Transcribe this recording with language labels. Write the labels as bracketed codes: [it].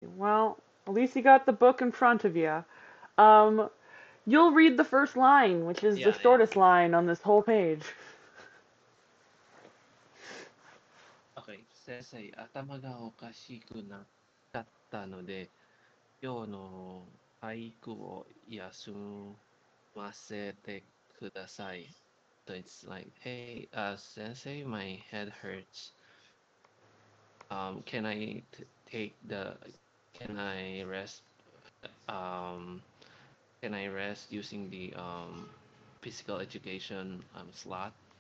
[en] Well, at least you got the book in front of you. You'll read the first line, which is the shortest line on this whole page. [ja] Okay, 先生、頭がおかしくなったので、今日の体育を休ませてください。 [en] So it's like, hey, sensei, my head hurts. Can I t take the, can I rest, can I rest using the physical education slot?